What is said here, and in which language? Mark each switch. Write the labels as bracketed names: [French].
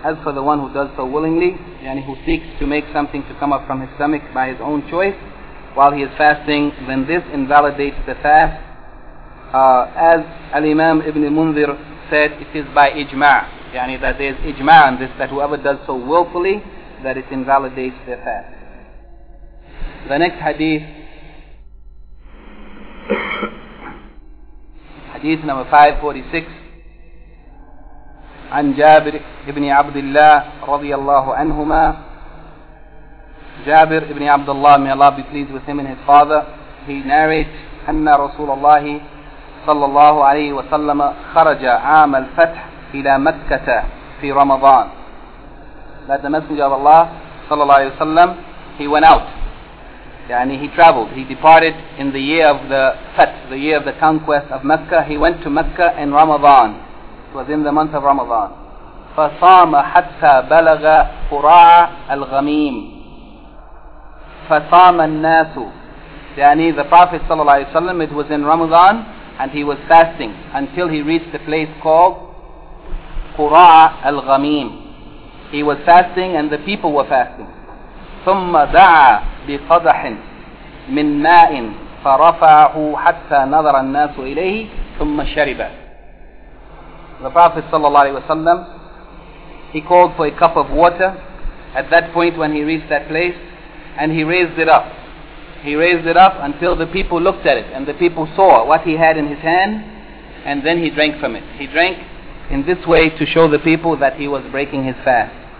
[English] As for the one who does so willingly, yani who seeks to make something to come up from his stomach by his own choice while he is fasting, then this invalidates the fast. As Al-Imam Ibn Munzir said, it is by ijma', yani that there is ijma' on this, that whoever does so willfully, that it invalidates the fast. The next hadith, hadith number 546, [Arabic] عن جابر ابن عبد الله رضي الله عنهما. جابر ابن عبد الله, [English] may Allah be pleased with him and his father, he narrates [Arabic] أن رسول الله صلى الله عليه وسلم خرج عام الفتح إلى مكة في رمضان. [English] That the Messenger of Allah صلى الله عليه وسلم, he went out, يعني he traveled, he departed in the year of the Fath, the year of the conquest of Mecca. He went to Mecca in Ramadan, was in the month of Ramadan. [Arabic] فَصَامَ حَتَّى بَلَغَ قُرَاعَ الْغَمِيمِ فَصَامَ النَّاسُ, [English] yani the Prophet ﷺ, it was in Ramadan and he was fasting until he reached the place called قُرَاعَ الْغَمِيمِ. He was fasting and the people were fasting. [Arabic] ثُمَّ دَعَ بِقَضَحٍ مِنْ مَاءٍ فرفعه حتى نظر الناس إليه ثم شرب. [English] The Prophet sallallahu alaihi wasallam, he called for a cup of water at that point when he reached that place, and he raised it up. He raised it up until the people looked at it and the people saw what he had in his hand, and then he drank from it. He drank in this way to show the people that he was breaking his fast.